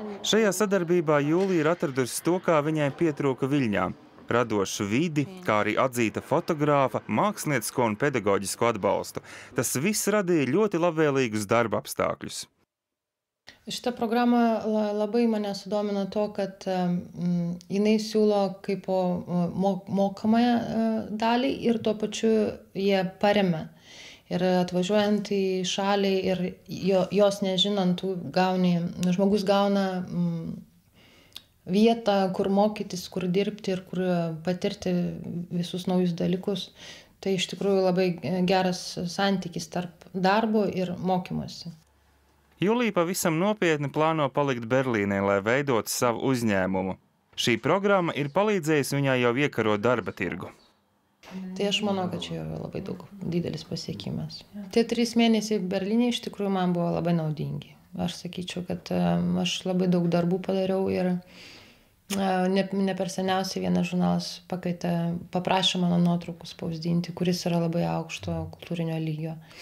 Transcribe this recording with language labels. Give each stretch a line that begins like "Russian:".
Latvian: Šajā sadarbībā Jūlija ir atradusi to, kā viņai pietrūka Viļņā – radošu vidi, kā arī atzīta fotogrāfa, māksliniecisko un pedagoģisko atbalstu. Tas viss radīja ļoti labvēlīgus darba apstākļus.
Lithuanian: Šita programa labai mane sudomino to, kad jinai siūlo kaip mokamą dalį ir tuo pačiu jie paremia. Ir atvažiuojant į šalį ir jos nežinant, žmogus gauna vietą, kur mokytis, kur dirbti ir kur patirti visus naujus dalykus. Tai iš tikrųjų labai geras santykis tarp darbo ir mokymosi.
Latvian: Julija pavisam nopietni plāno palikt Berlīnē, lai veidotu savu uzņēmumu. Šī programma ir palīdzējusi viņai jau iekarot darba tirgu.
Lithuanian: Tai aš manau, kad čia jau labai daug didelis pasiekimas. Tie trys mėnesiai Berlyne iš tikrųjų man buvo labai naudingi. Aš sakyčiau, kad aš labai daug darbų padariau ir ne per seniausiai vienas žurnalas pakaitė, paprašė mano nuotraukų spausdinti, kuris yra labai aukšto kultūrinio lygio.